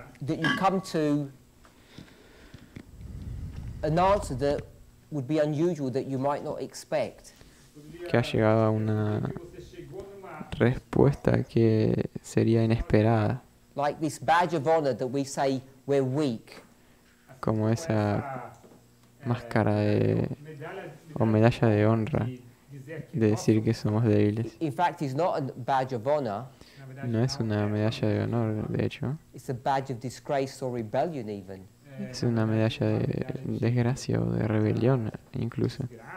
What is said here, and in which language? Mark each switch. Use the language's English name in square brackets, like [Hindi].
[English] that you come to an answer that would be unusual that you might not expect. [Spanish] Que has llegado a una respuesta que sería inesperada. [English] Like this badge of honor that we say we're weak. [Spanish] Como esa máscara de o medalla de honra de decir que somos débiles. [English] In fact, it's not a badge of honor. [Spanish] No es una medalla de honor, de hecho. [English] It's a badge of disgrace or rebellion even. [Spanish] Es una medalla de desgracia o de rebelión incluso.